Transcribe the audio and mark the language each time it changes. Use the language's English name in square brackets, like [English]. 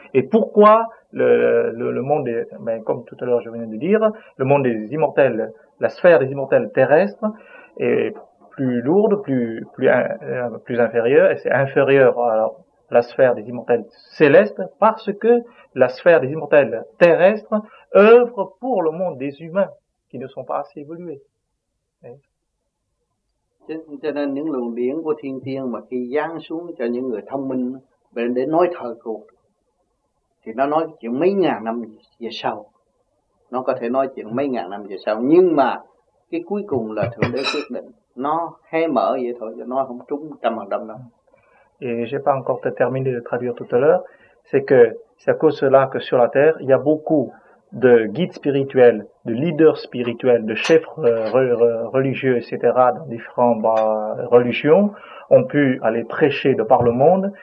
[French] Et pourquoi le monde des, ben, comme tout à l'heure je venais de dire, le monde des immortels, la sphère des immortels terrestres est plus lourde, plus inférieure, et c'est inférieur à la sphère des immortels célestes, parce que la sphère des immortels terrestres œuvre pour le monde des humains qui ne sont pas assez évolués. [Vietnamese] Cho nên những luồng điển của thiên tiên mà khi giáng xuống cho những người thông minh để nói thời cuộc, thì nó nói chuyện mấy ngàn năm về sau. Nó có thể nói chuyện mấy ngàn năm về sau, nhưng mà cái cuối cùng là Thượng Đế quyết định. Nó hé mở vậy thôi, nó không trúng 100% đâu. [French] Et j'ai pas encore terminé de traduire tout à l'heure, c'est que c'est à cause de cela que sur la Terre, il y a beaucoup de guides spirituels, de leaders spirituels, de chefs religieux, etc., dans différentes religions, ont pu aller prêcher de par le monde.